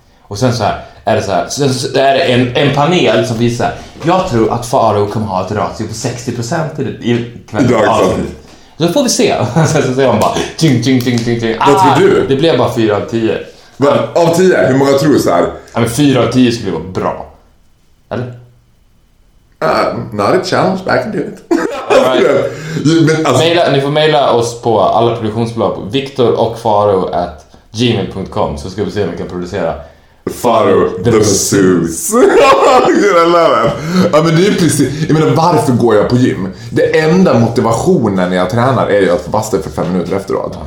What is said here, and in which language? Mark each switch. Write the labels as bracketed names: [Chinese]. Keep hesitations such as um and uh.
[Swedish] Och sen så här, är det så här, det är en, panel som visar jag tror att Faro kommer att ha ett ratio på 60% i, i kväll. Då får vi se. så säger han bara tjing, tjing, tjing, tjing, tjing. Vad tror du? Det blev bara fyra av 10. Men, av tio Hur många tror du såhär? Ja, men 4 av 10 skulle vara bra. Eller? [English] Uh, not a challenge, I can do it. [Swedish] men, alltså... mejla, ni får mejla oss på alla produktionsbolag på victor- och faro-@gmail.com, så ska vi se om vi kan producera Faro the Zeus. ja men det är precis, jag menar varför går jag på gym? Det enda motivationen när jag tränar är ju att få basta för fem minuter efteråt.